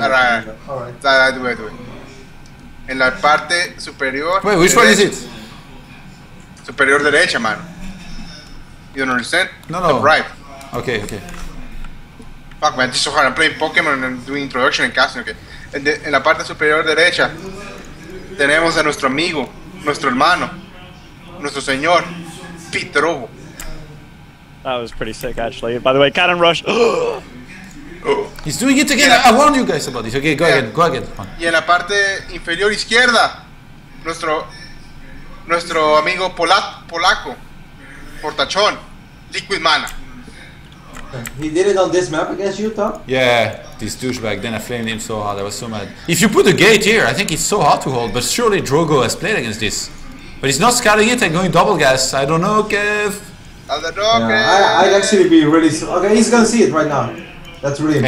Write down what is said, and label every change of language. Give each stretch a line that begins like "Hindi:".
English: All right. I do it.
Spanish: En la parte superior.
English: Wait. Which one is it?
Spanish: Superior derecha,
English: man. You don't understand? No. The right. Okay. Fuck, man, this is so hard. I'm playing Pokemon and doing introduction and casting, okay.
Spanish: En la parte superior derecha, tenemos a nuestro amigo, nuestro hermano, nuestro señor, PtitDrogo.
English: That was pretty sick, actually. By the way, Cannon Rush. He's doing it again. I warned you guys about this. Okay, go again.
Spanish: Y en la parte inferior izquierda, nuestro amigo polaco.
English: Portachon, liquid mana. He did it on this map against you, Tom? Yeah, this douchebag. Then I flamed him so hard, I was so mad. If you put a gate here, I think it's so hard to hold, but surely Drogo has played against this. But he's not scouting it and going double gas. I don't know, Kev. I'd actually be really. Okay, he's gonna see it right now. That's really important.